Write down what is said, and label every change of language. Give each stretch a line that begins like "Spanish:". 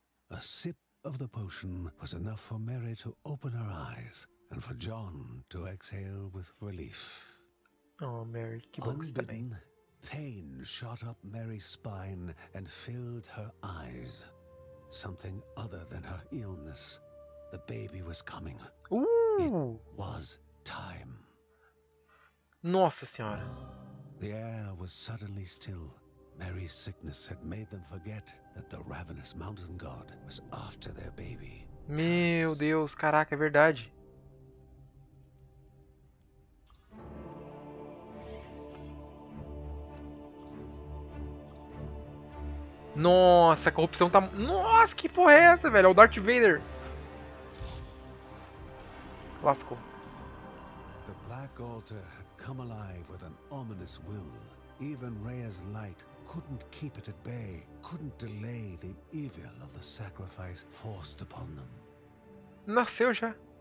English: A sip of the potion was enough for Mary to open her eyes and for John to exhale with relief.
Portuguese: Oh, Mary, que bom que você tá bem.
English: Pain shot up Mary's spine and filled her eyes. Something other than her illness. The baby was coming. It was time.
Portuguese: Nossa senhora.
English: The air was suddenly still. Mary's sickness had made them forget that the ravenous mountain god was after their baby.
Portuguese: Meu Deus, caraca, é verdade. Nossa, a corrupção tá... Nossa, que porra é essa, velho? É o Darth Vader. Lascou.
English: The Black Altar had come alive with an ominous will. Even Rhea's light couldn't keep it at bay, couldn't delay the evil of the sacrifice forced upon them.
Portuguese: Nasceu já.